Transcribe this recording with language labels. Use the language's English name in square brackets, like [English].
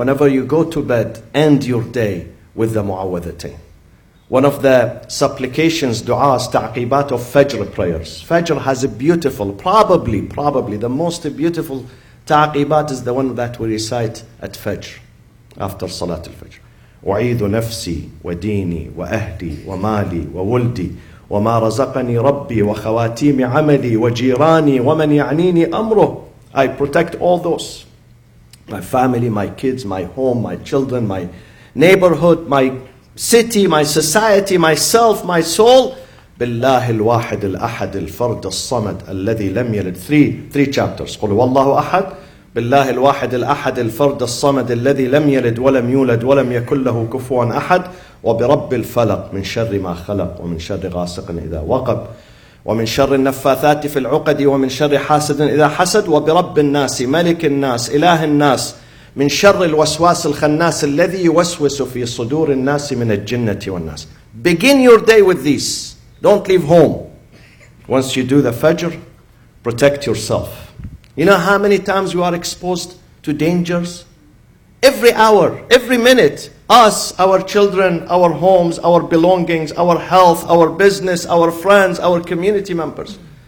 [English] Whenever you go to bed, end your day with the Mu'awwadhatayn. One of the supplications, du'as, ta'qibat of Fajr prayers. Fajr has a beautiful, probably the most beautiful ta'qibat is the one that we recite at Fajr. After Salat al-Fajr. [Arabic] أعيذ نفسي وديني وأهلي ومالي وولدي وما رزقني ربي وخواتيم عملي وجيراني ومن يعنيني أمره. [English] I protect all those. My family, my kids, my home, my children, my neighborhood, my city, my society, myself, my soul. [Arabic] بالله الواحد الأحد الفرد الصمد الذي لم يلد. [English] Three chapters. [Arabic] قل والله أحد. بالله الواحد الأحد الفرد الصمد الذي لم يلد ولم يولد ولم يكن له كفوا أحد وبرب الفلق من شر ما خلق ومن شر غاسق إذا وقب ومن شر النفاثات في العقد ومن شر حاسد إذا حسد وبرب الناس ملك الناس إله الناس من شر الوسواس الخناس الذي يوسوس في صدور الناس من الجنة والناس. [English] Begin your day with this. Don't leave home. Once you do the Fajr, protect yourself. You know how many times we are exposed to dangers? Every hour, every minute, us, our children, our homes, our belongings, our health, our business, our friends, our community members.